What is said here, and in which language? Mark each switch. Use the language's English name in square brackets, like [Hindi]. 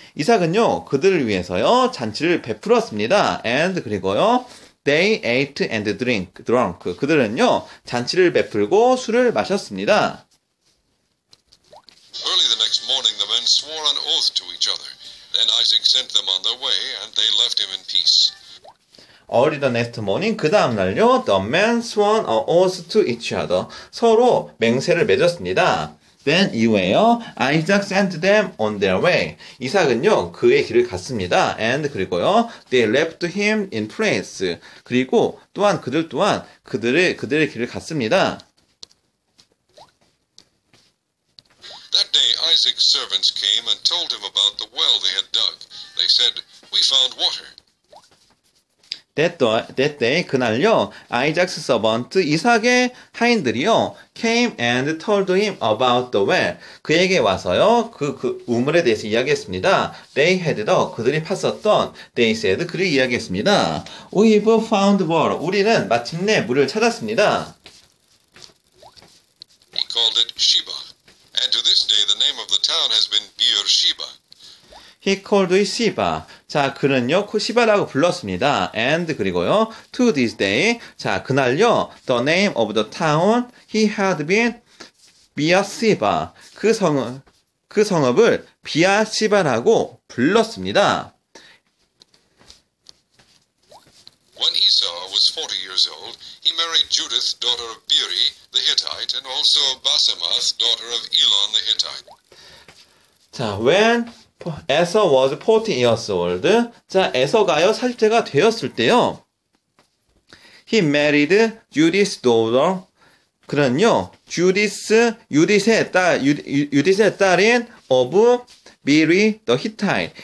[Korean] 이삭은요, 그들을 위해서요, 잔치를 베풀었습니다. [English] And [Korean] 그리고요, [English] they ate and drunk. [Korean] 그들은요, 잔치를 베풀고 술을 마셨습니다. [English] Early the next morning, the men swore an oath to each other. Then Isaac sent them on their way, and they left him in peace. Early the next morning, [Korean] 그 다음날요, [English] the men sworn an oath to each other. [Korean] 서로 맹세를 맺었습니다. [English] Then [Korean] 이후에요, [English] Isaac sent them on their way. [Korean] 이삭은요, 그의 길을 갔습니다. [English] And [Korean] 그리고요, [English] they left him in place. [Korean] 그리고 또한 그들 또한 그들의 길을 갔습니다. [English] That day, Isaac's servants came and told him about the well they had dug. They said, "We found water." That day, [Korean] 그날요, [English] Isaac's servant, [Korean] 이삭의 하인들이요, [English] came and told him about the well. [Korean] 그에게 와서요, 그 우물에 대해서 이야기했습니다. [English] They had dug, [Korean] 그들이 팠었던, [English] they said, [Korean] 그를 이야기했습니다. [English] We've found water. [Korean] 우리는 마침내 물을 찾았습니다. [English] He called it Sheba. And to this day, the name of the town has been Beersheba. He called it Sheba. [Korean] 자, 그는요, 시바라고 불렀습니다. [English] And, [Korean] 그리고요, [English] to this day. [Korean] 자, 그날요, [English] the name of the town he had been Beersheba. [Korean] 그 성읍을 비아시바라고 불렀습니다. [English] When Esau was 40 years old, he married Judith, daughter of Beeri the Hittite, and also Basemath, daughter of Elon the Hittite. [Korean] 자, [English] when Esau was 40 years old. [Korean] 자, 에서가요, 40대가 되었을 때요. [English] He married Judith's daughter. [Korean] 그는요, Judith의 딸인 [English] of Beeri the Hittite.